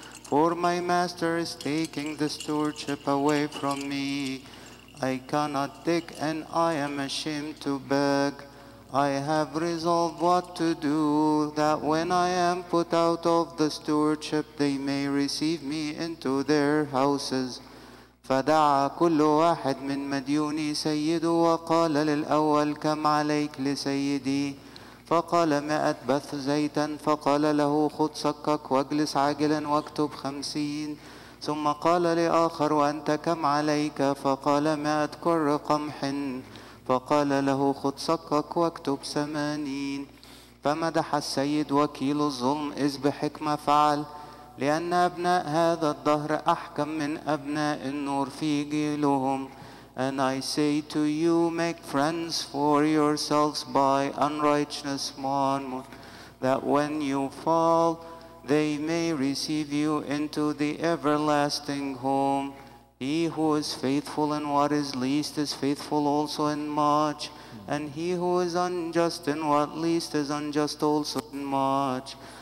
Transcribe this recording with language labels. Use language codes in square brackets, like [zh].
[en] For my master is taking the stewardship away from me. I cannot dig, and I am ashamed to beg. I have resolved what to do, that when I am put out of the stewardship, they may receive me into their houses. [ar] فدعا كل واحد من مديوني سيده وقال للأول كم عليك لسيدي فقال 100 بث زيتا فقال له خذ صكك واجلس عاجلا واكتب 50 ثم قال لآخر وأنت كم عليك فقال 100 كر قمح فقال له خذ صكك واكتب 80 فمدح السيد وكيل الظلم إذ بحكمة فعل لأن أبناء هذا الدهر أحكم من أبناء النور في جيلهم. [en] And I say to you, make friends for yourselves by unrighteous Monmouth, that when you fall, they may receive you into the everlasting home. He who is faithful in what is least is faithful also in much, and he who is unjust in what least is unjust also in much.